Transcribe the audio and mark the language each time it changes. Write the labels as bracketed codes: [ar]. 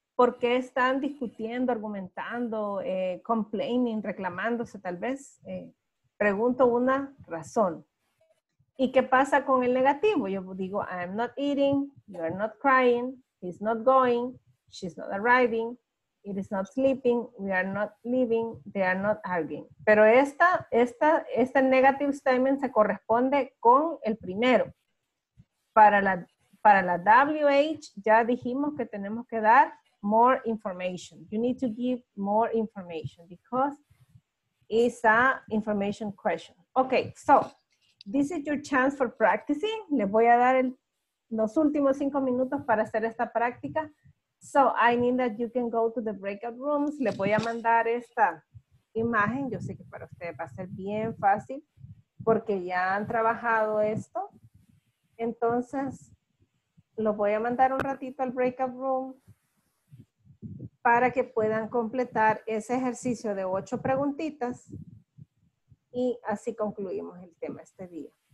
[es] ¿Por qué están discutiendo, argumentando, complaining, reclamándose tal vez? Pregunto una razón. ¿Y qué pasa con el negativo? Yo digo, [en] I'm not eating, you're not crying, he's not going, she's not arriving, it is not sleeping, we are not leaving, they are not arguing. [es] Pero esta negative statement se corresponde con el primero. Para la WH ya dijimos que tenemos que dar [en] more information. You need to give more information because it's a information question. Okay, so this is your chance for practicing. [es] Les voy a dar los últimos 5 minutos para hacer esta práctica. [en] So I mean that you can go to the breakout rooms. [es] Les voy a mandar esta imagen. Yo sé que para ustedes va a ser bien fácil porque ya han trabajado esto. Entonces, los voy a mandar un ratito al breakout room para que puedan completar ese ejercicio de 8 preguntitas y así concluimos el tema este día.